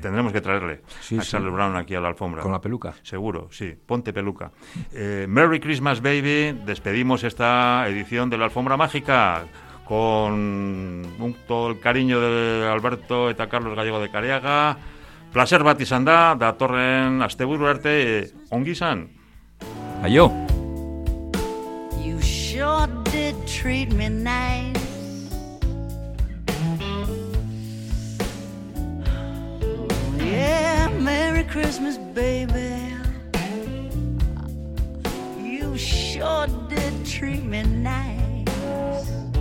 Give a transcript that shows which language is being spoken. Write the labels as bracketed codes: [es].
[es] Tendremos que traerle a Charles Brown aquí a la alfombra. Con la peluca. Seguro, sí. Ponte peluca. [en] Merry Christmas, baby. [es] Despedimos esta edición de la Alfombra Mágica. Con todo el cariño de Alberto Eta Carlos Gallego de Careaga. [eu] Placer bat izan da, datorren asteburu arte, ongi izan. Aio. [en] You sure did treat me nice. Yeah, Merry Christmas, baby. You sure did treat me nice.